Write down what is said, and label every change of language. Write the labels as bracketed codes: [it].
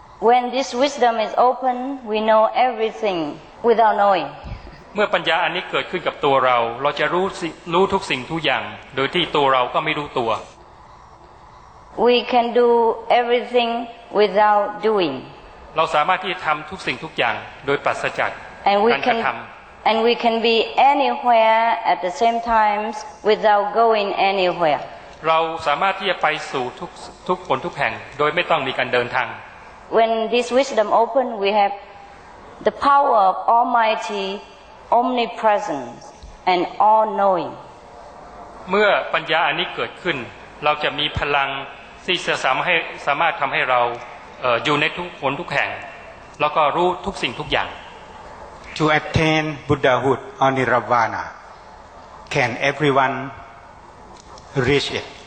[en] When this wisdom is open, we know everything without knowing. [th] เมื่อปัญญาอันนี้เกิดขึ้นกับตัวเราเราจะรู้ทุกสิ่งทุกอย่างโดยที่ตัวเราก็ไม่รู้ตัว [en] We can do everything without doing. [th] เราสามารถที่จะทำทุกสิ่งทุกอย่างโดยปราศจากการกระทำ [en] And we can be anywhere at the same time without going anywhere. [th] เราสามารถที่จะไปสู่ทุกคนทุกแห่งโดยไม่ต้องมีการเดินทาง [en] When this wisdom open we have the power of almighty omnipresent and all knowing [th] เมื่อปัญญาอันนี้เกิดขึ้นเราจะมีพลังที่จะสามารถทำให้เรา อยู่ในทุกคนทุกแห่งแล้วก็รู้ทุกสิ่งทุกอย่าง [en] To attain Buddhahood or Nirvana can everyoneReach it.